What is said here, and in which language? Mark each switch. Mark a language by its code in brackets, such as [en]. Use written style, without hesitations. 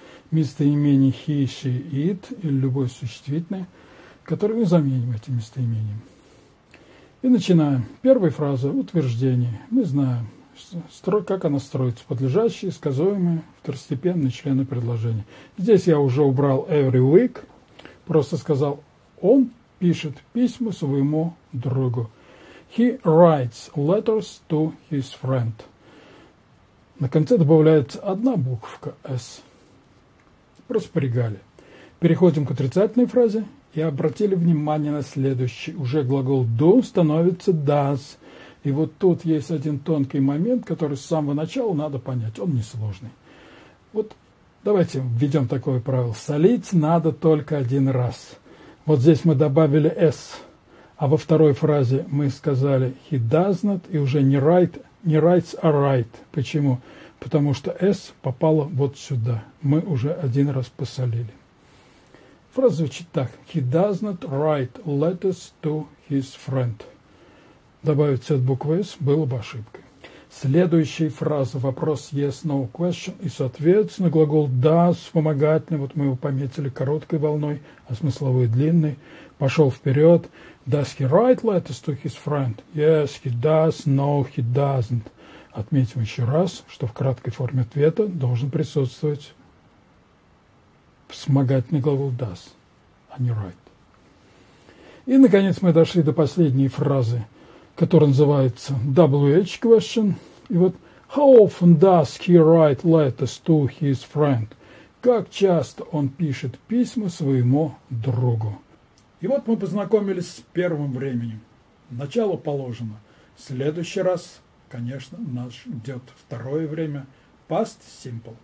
[ru] Местоимение he, she, it или любое существительное, которое мы заменим этим местоимением. И начинаем. Первая фраза – утверждение. Мы знаем, как она строится. Подлежащие, сказуемые, второстепенные члены предложения. Здесь я уже убрал «every week». Просто сказал «он пишет письма своему другу». [en] «He writes letters to his friend». [ru] На конце добавляется одна буковка «s». Проспрягали. Переходим к отрицательной фразе. И обратили внимание на следующий. Уже глагол «do» становится «does». И вот тут есть один тонкий момент, который с самого начала надо понять. Он несложный. Вот давайте введем такое правило. Солить надо только один раз. Вот здесь мы добавили «s». А во второй фразе мы сказали [en] «he does not» [ru] и уже не «write», не «writes», а «write». Почему? Потому что «s» попало вот сюда. Мы уже один раз посолили. Фраза звучит так. [en] «He does not write letters to his friend». [ru] Добавить цвет буквы «s» было бы ошибкой. Следующая фраза. [en] Вопрос «yes, no question». [ru] И, соответственно, глагол «does» вспомогательный. Вот мы его пометили короткой волной, а смысловой длинный. Пошел вперед. [en] «Does he write letters to his friend?» «Yes, he does. No, he doesn't». [ru] Отметим еще раз, что в краткой форме ответа должен присутствовать вспомогательный глагол «does», а не «write». И, наконец, мы дошли до последней фразы, которая называется «WH question». И вот [en] «How often does he write letters to his friend?» [ru] «Как часто он пишет письма своему другу?» И вот мы познакомились с первым временем. Начало положено. В следующий раз, конечно, нас ждет второе время. Past simple.